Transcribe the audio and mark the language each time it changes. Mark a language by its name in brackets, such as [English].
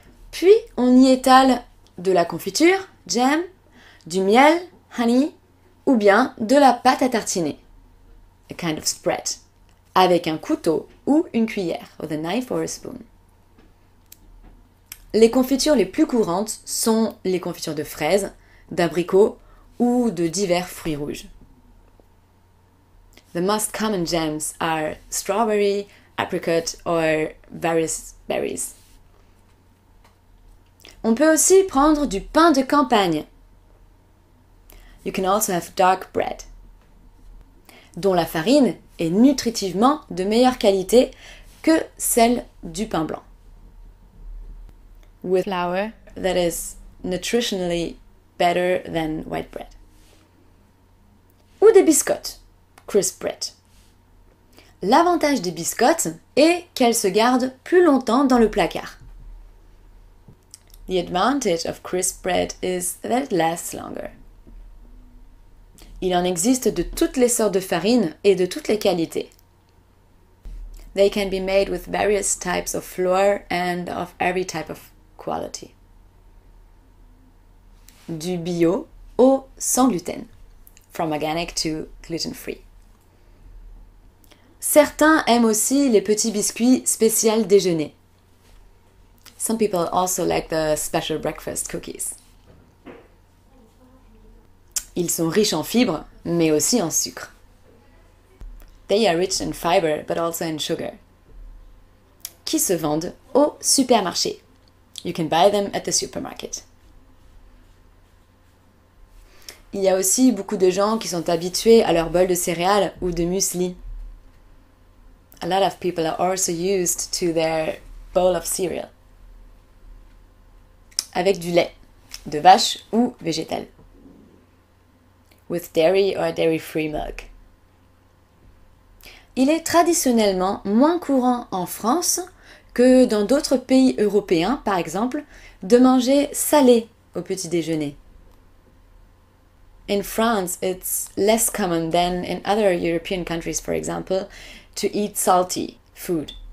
[French] Puis, on y étale de la confiture, jam, du miel, honey, ou bien de la pâte à tartiner, [English] a kind of spread, [French] avec un couteau ou une cuillère, [English] with a knife or a spoon. [French] Les confitures les plus courantes sont les confitures de fraises, d'abricots ou de divers fruits rouges. [English] The most common jams are strawberry, apricot or various berries. [French] On peut aussi prendre du pain de campagne. [English] You can also have dark bread. [French] Dont la farine est nutritivement de meilleure qualité que celle du pain blanc. [English] With flour that is nutritionally better than white bread. [French] Ou des biscottes, [English] crisp bread. [French] L'avantage des biscottes est qu'elles se gardent plus longtemps dans le placard. [English] The advantage of crisp bread is that it lasts longer. [French] Il en existe de toutes les sortes de farine et de toutes les qualités. [English] They can be made with various types of flour and of every type of quality. [French] Du bio au sans gluten. [English] From organic to gluten-free. [French] Certains aiment aussi les petits biscuits spéciaux déjeuner. [English] Some people also like the special breakfast cookies. [French] Ils sont riches en fibres, mais aussi en sucre. [English] They are rich in fiber, but also in sugar. [French] Qui se vendent au supermarché. [English] You can buy them at the supermarket. [French] Il y a aussi beaucoup de gens qui sont habitués à leur bol de céréales ou de muesli. [English] A lot of people are also used to their bowl of cereal. [French] Avec du lait, de vache ou végétal. [English] With dairy or dairy-free milk. [French] Il est traditionnellement moins courant en France que dans d'autres pays européens, par exemple, de manger salé au petit déjeuner. [English] In France, it's less common than in other European countries, for example, to eat salty food.